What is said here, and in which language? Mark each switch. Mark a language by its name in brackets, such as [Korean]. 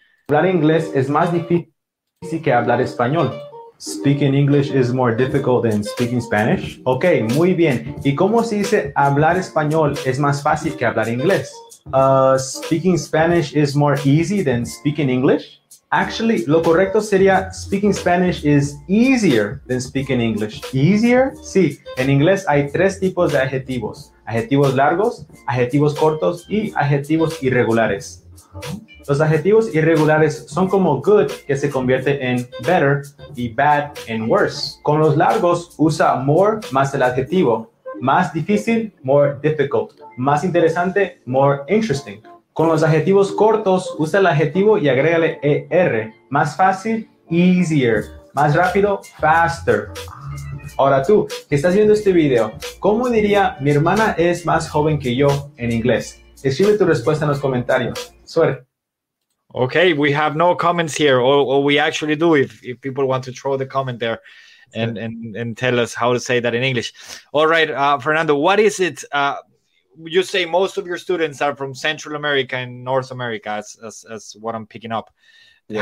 [Spanish] Hablar inglés es más difícil que hablar español. [English] Speaking English is more difficult than speaking Spanish. [Spanish] Okay, muy bien. ¿Y cómo se dice hablar español es más fácil que hablar inglés? [English] Speaking Spanish is more easy than speaking English. Actually, [Spanish] lo correcto sería [English] speaking Spanish is easier than speaking English. Easier? [Spanish] Sí. En inglés hay tres tipos de adjetivos. Adjetivos largos, adjetivos cortos y adjetivos irregulares. Los adjetivos irregulares son como good, que se convierte en better, y bad en worse. Con los largos, usa more más el adjetivo. Más difícil, [English] more difficult. [Spanish] Más interesante, [English] more interesting. [Spanish] Con los adjetivos cortos, usa el adjetivo y agrégale er. Más fácil, easier. Más rápido, faster. Ahora tú, que estás viendo este video, ¿cómo diría mi hermana es más joven que yo en inglés? Escribe tu respuesta en los comentarios. Suerte. [English] Okay, we have no comments here, or we actually do if people want to throw the comment there and tell us how to say that in English. All right, Fernando, what is it? You say most of your students are from Central America and North America, as what I'm picking up. Yes.